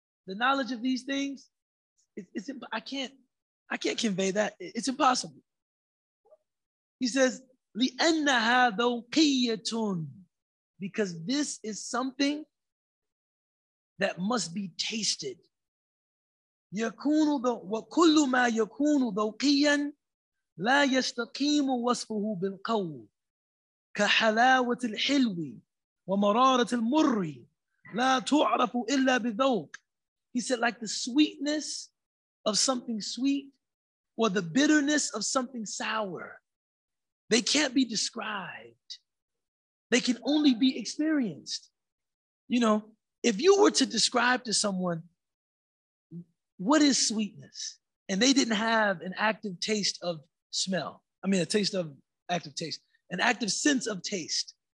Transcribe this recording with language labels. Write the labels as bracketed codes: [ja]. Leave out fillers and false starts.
[en] The knowledge of these things, I can't convey that. It's impossible. He says, [ar] لِأَنَّهَا ذَوْقِيَّةٌ. [en] Because this is something that must be tasted. [ar] يَكُونُ وَكُلُّ مَا يَكُونُ ذَوْقِيًا لا يستقيم وصفه بالقول كحلاوة الحلو ومرارة المر لا تعرف إلا بذوق. [en] He said, like the sweetness of something sweet or the bitterness of something sour, they can't be described. They can only be experienced. You know, if you were to describe to someone what is sweetness, and they didn't have an active taste of smell, I mean, an active sense of taste.